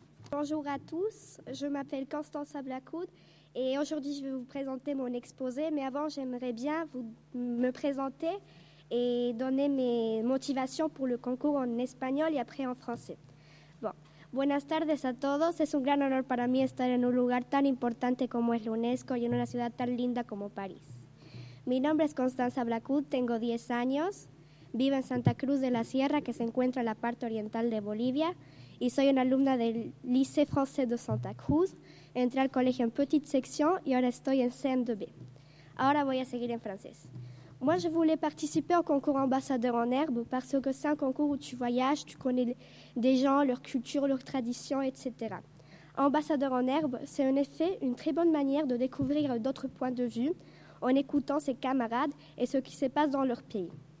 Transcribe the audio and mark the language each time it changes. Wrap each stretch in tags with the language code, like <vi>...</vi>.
<fr>Bonjour à tous, je m'appelle Constance Ablacoud et aujourd'hui je vais vous présenter mon exposé. Mais avant, j'aimerais bien vous me présenter et donner mes motivations pour le concours en espagnol et après en français.</fr> <es>Bon. Buenas tardes a todos. Es un gran honor para mí estar en un lugar tan importante como es la UNESCO y en una ciudad tan linda como París. Mi nombre es Constanza Blacud, tengo 10 años, vivo en Santa Cruz de la Sierra, que se encuentra en la parte oriental de Bolivia, y soy una alumna del Lycée Français de Santa Cruz. Entré al colegio en Petite Section y ahora estoy en CM2B. Ahora voy a seguir en francés.</es> <fr>Moi, je voulais participer au concours ambassadeur en herbe parce que c'est un concours où tu voyages, tu connais des gens, leur culture, leurs traditions, etc. Ambassadeur en herbe, c'est en effet une très bonne manière de découvrir d'autres points de vue en écoutant ses camarades et ce qui se passe dans leur pays.</fr>